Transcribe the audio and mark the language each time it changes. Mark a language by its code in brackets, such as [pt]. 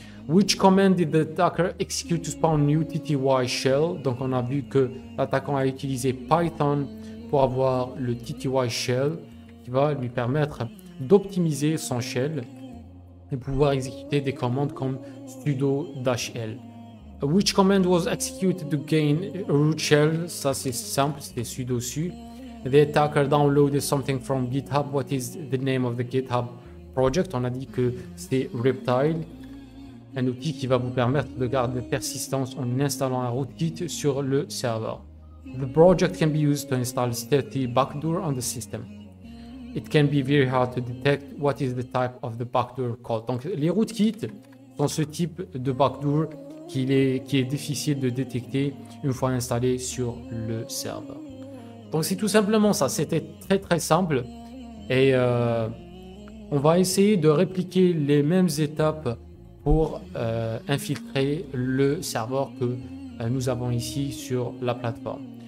[en] Which command did the attacker execute to spawn new TTY shell? [fr] Donc, on a vu que l'attaquant a utilisé Python pour avoir le TTY shell qui va lui permettre d'optimiser son shell et pouvoir exécuter des commandes comme sudo -l. [en] Which command was executed to gain root shell? [fr] Ça, c'est simple, c'était sudo su. [en] The attacker downloaded something from GitHub. What is the name of the GitHub project? [fr] On a dit que c'est Reptile, un outil qui va vous permettre de garder persistance en installant un rootkit sur le serveur. [en] The project can be used to install stealthy backdoor on the system. It can be very hard to detect what is the type of the backdoor called. [fr] Donc les rootkits sont ce type de backdoor qui est difficile de détecter une fois installé sur le serveur. Donc c'est tout simplement ça, c'était très très simple. Et on va essayer de répliquer les mêmes étapes pour infiltrer le serveur que nous avons ici sur la plateforme.